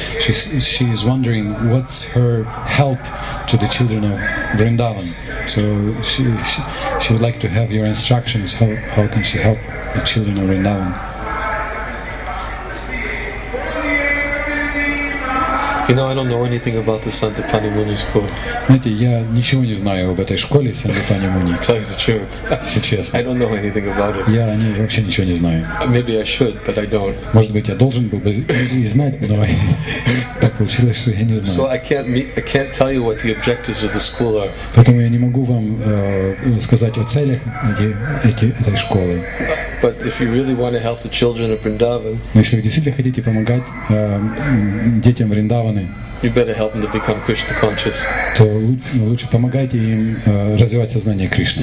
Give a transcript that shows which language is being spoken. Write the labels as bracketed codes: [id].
[en] She's wondering what's her help to the children of Vrindavan. So she would like to have your instructions. How can she help the children of Vrindavan? You know, I don't know anything about the Sandipani Muni school. [ru] Знаете, я ничего не знаю об этой школе Сандипани Муни. [en] Tell you the truth. [ru] Если честно. [en] I don't know anything about it. [ru] Я о ней вообще ничего не знаю. [en] Maybe I should, but I don't. [ru] Может быть, я должен был бы и знать, но так получилось, что я не знаю. [en] So I can't tell you what the objectives of the school are. [ru] Поэтому я не могу вам сказать о целях этой школы. [en] But if you really want to help the children of Vrindavan, [ru] но если вы действительно хотите помогать детям Вриндавана, [en] you better help them to become Krishna conscious. [ru] То лучше помогайте им развивать сознание Кришны.